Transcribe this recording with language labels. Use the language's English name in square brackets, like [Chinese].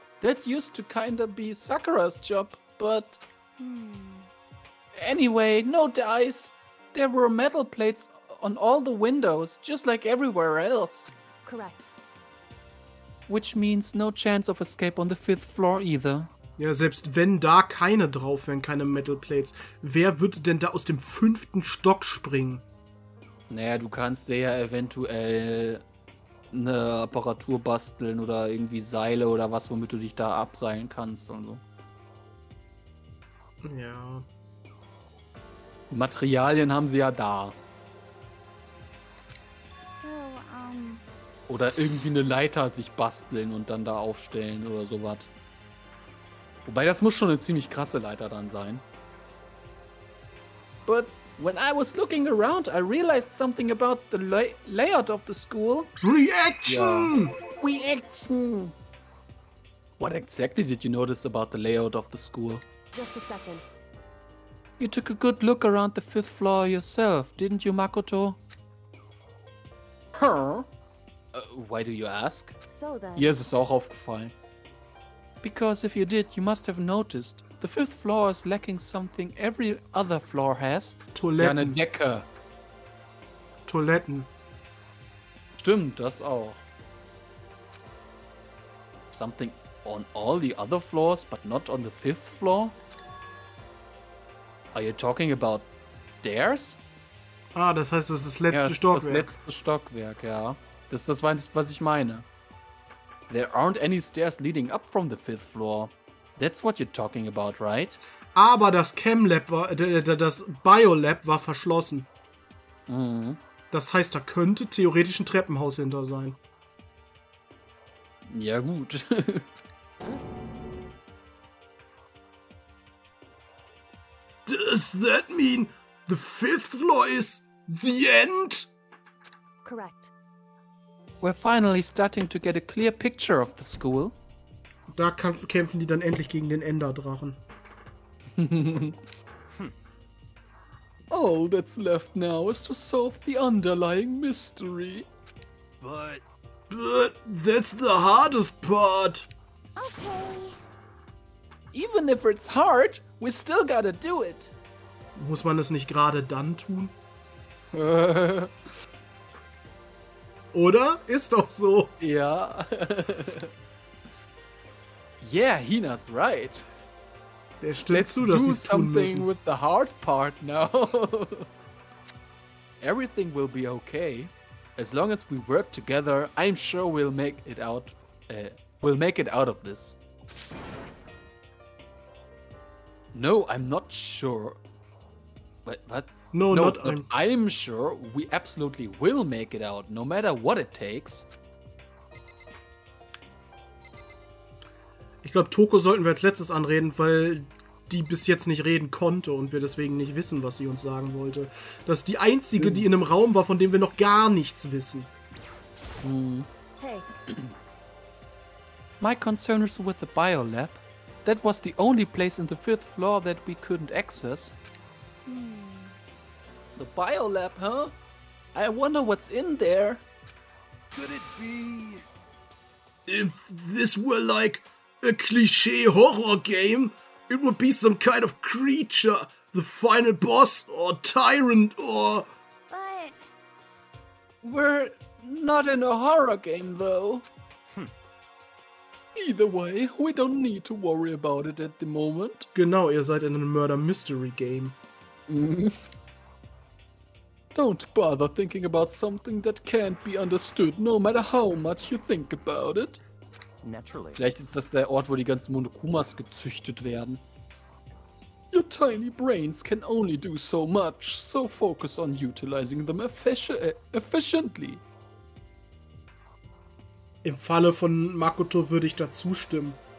[English] That used to kinda be Sakura's job, but... Anyway, no dice. There were metal plates on all the windows, just like everywhere else. Correct. Which means no chance of escape on the fifth floor either. [German] Ja, selbst wenn da keine drauf wären, keine [English] metal plates, [German] wer würde denn da aus dem fünften Stock springen? Naja, du kannst dir ja eventuell... eine Apparatur basteln oder irgendwie Seile oder was, womit du dich da abseilen kannst und so. Ja. Materialien haben sie ja da. So, Oder irgendwie eine Leiter sich basteln und dann da aufstellen oder sowas. Wobei, das muss schon eine ziemlich krasse Leiter dann sein. [English] But when I was looking around, I realized something about the layout of the school. Reaction! Yeah. Reaction! What exactly did you notice about the layout of the school? Just a second. You took a good look around the fifth floor yourself, didn't you, Makoto? Huh? Why do you ask? So then. Yes, it's [German] auch aufgefallen. [English] Because if you did, you must have noticed. The fifth floor is lacking something every other floor has. [German] Toiletten. Ja, eine Decke. Toiletten. Stimmt, das auch. [English] Something on all the other floors, but not on the fifth floor? Are you talking about stairs? [German] Ah, das heißt, das ist das letzte Stockwerk. Das letzte Stockwerk, ja. Das war das, was ich meine. [English] There aren't any stairs leading up from the fifth floor. That's what you're talking about, right? [German] Aber das Chemlab war, das Biolab war verschlossen. Mhm. Das heißt, da könnte theoretisch ein Treppenhaus hinter sein. Ja, gut. [English] Does that mean the fifth floor is the end? Correct. We're finally starting to get a clear picture of the school. [German] Da kämpfen die dann endlich gegen den Enderdrachen. [English] All that's left now is to solve the underlying mystery. But that's the hardest part. Okay. Even if it's hard, we still gotta do it. [German] Muss man es nicht gerade dann tun? Oder? Ist doch so. Ja. [English] Yeah, Hina's right. [German] Der stimmt zu, dass sie's tun müssen. [English] Let's do something with the hard part now. Everything will be okay. As long as we work together, I'm sure we'll make it out. We'll make it out of this. No, I'm not sure. But what? I'm sure we absolutely will make it out, no matter what it takes. [German] Ich glaube, Toko sollten wir als letztes anreden, weil die bis jetzt nicht reden konnte und wir deswegen nicht wissen, was sie uns sagen wollte. Das ist die Einzige, die in einem Raum war, von dem wir noch gar nichts wissen. [English] Hey. My concern is with the biolab. That was the only place in the fifth floor that we couldn't access. The biolab, huh? I wonder what's in there. Could it be... If this were like a cliché horror game, it would be some kind of creature, the final boss, or tyrant, or... But... We're not in a horror game, though. Either way, we don't need to worry about it at the moment. [German] Genau, ihr seid in einem Murder-Mystery-Game. [English] Don't bother thinking about something that can't be understood, no matter how much you think about it. Naturally. [German] Vielleicht ist das der Ort, wo die ganzen Monokumas gezüchtet werden. [English] Your tiny brains can only do so much, so focus on utilizing them efficiently. [German] Im Falle von Makoto würde ich da zustimmen.